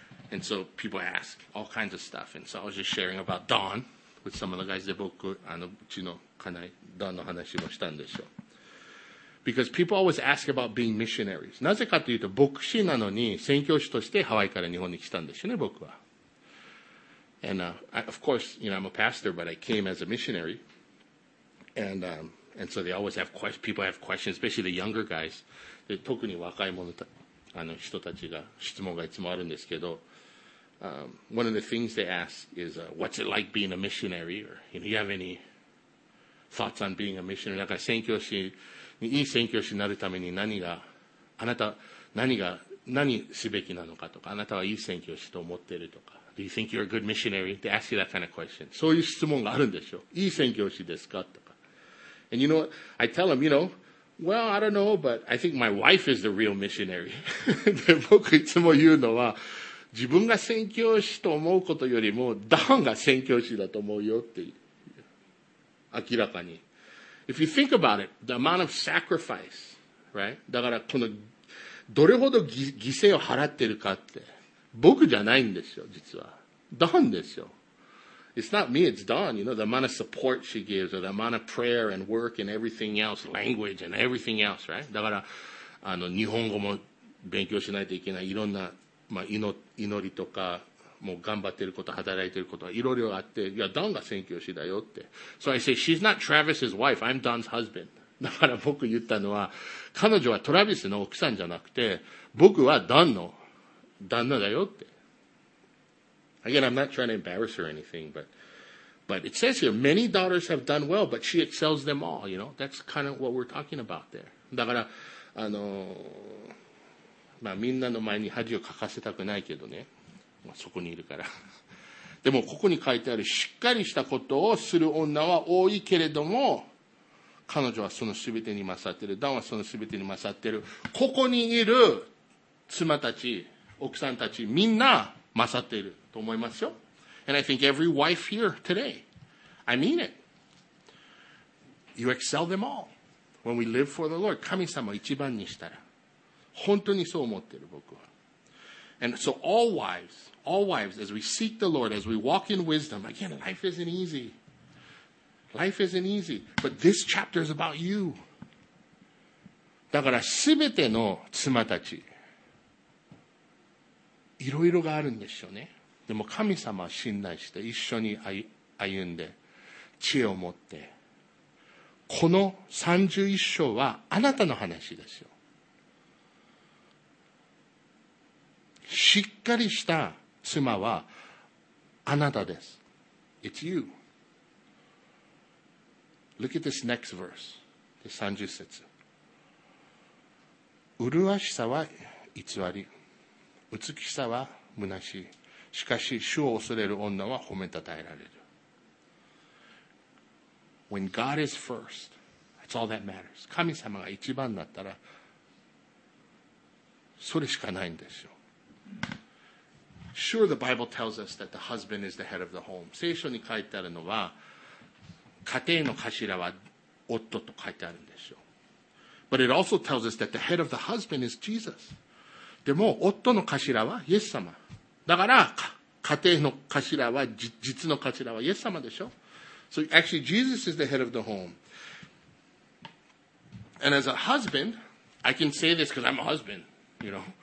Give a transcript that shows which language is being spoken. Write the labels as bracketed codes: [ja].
[en] And so people ask all kinds of stuff. And so I was just sharing about Don with some of the guys. [ja] 僕、うちの家内、Donの話もしたんでしょう。 [en] Because people always ask about being missionaries. [ja] なぜかというと、牧師なのに宣教師としてハワイから日本に来たんでしょうね、僕は。 [en] And of course, you know, I'm a pastor, but I came as a missionary. And, and so they always have questions. People have questions, especially the younger guys. [ja] で、特に若い者たち。人たちが質問がいつもあるんですけど、 [en] one of the things they ask is, what's it like being a missionary? Or, you have any thoughts on being a missionary? [ja] だから宣教師に、いい宣教師になるために何が、あなた、何すべきなのかとか、あなたはいい宣教師と思っているとか、 [en] Do you think you're a good missionary? They ask you that kind of question. [ja] そういう質問があるんでしょう。いい宣教師ですかとか。 [en] And you know what? I tell them, you know, well, I don't know, but I think my wife is the real missionary. [ja] で、僕いつも言うのは、自分が宣教師と思うことよりも、ダウンが宣教師だと思うよって、明らかに。 [en] If you think about it, the amount of sacrifice, right? [ja] だから、この、どれほど犠牲を払ってるかって、僕じゃないんですよ、実は。ダウンですよ。 [en] It's not me, it's Dawn, you know, the amount of support she gives, or the amount of prayer and work and everything else, language and everything else, right? [ja] だから、あの、日本語も勉強しないといけない、いろんな、まあ、祈りとか、もう頑張ってること、働いてることはいろいろあって、いや、Dawn が宣教師だよって。 [en] So I say, she's not Travis's wife, I'm Dawn's husband. [ja] だから僕言ったのは、彼女はトラビスの奥さんじゃなくて、僕は Dawn の旦那だよって。 [en] Again, I'm not trying to embarrass her or anything, but it says here, many daughters have done well, but she excels them all, you know? That's kind of what we're talking about there. [ja] だから、あの、まあ、みんなの前に恥をかかせたくないけどね。まあ、そこにいるから。でも、ここに書いてある、しっかりしたことをする女は多いけれども、彼女はその全てに勝ってる。ダンはその全てに勝ってる。ここにいる妻たち、奥さんたち、みんな勝っている。と思いますよ。 [en] And I think every wife here today, I mean it. You excel them all. When we live for the Lord, [ja] 神様を一番にしたら。本当にそう思ってる、僕は。 [en] And so all wives, as we seek the Lord, as we walk in wisdom, again, life isn't easy. Life isn't easy. But this chapter is about you. [ja] だから、すべての妻たち、いろいろがあるんでしょうね。でも神様は信頼して一緒に歩んで知恵を持ってこの31章はあなたの話ですよ。しっかりした妻はあなたです。 [en] It's you. Look at this next verse. [ja] で30節。麗しさは偽り。美しさは虚しい。しかし主を恐れる女は褒めたたえられる。 [en] When God is first, that's all that matters. [ja] 神様が一番だったら、それしかないんですよ。 [en] Sure, the Bible tells us that the husband is the head of the home. [ja] 聖書に書いてあるのは、家庭の頭は夫と書いてあるんですよ。 [en] But it also tells us that the head of the husband is Jesus. [ja] でも夫の頭はイエス様。だから家庭の頭は実の頭はイエス様でしょ。 [en] So actually Jesus is the head of the home. And as a husband, I can say this because I'm a husband, you know.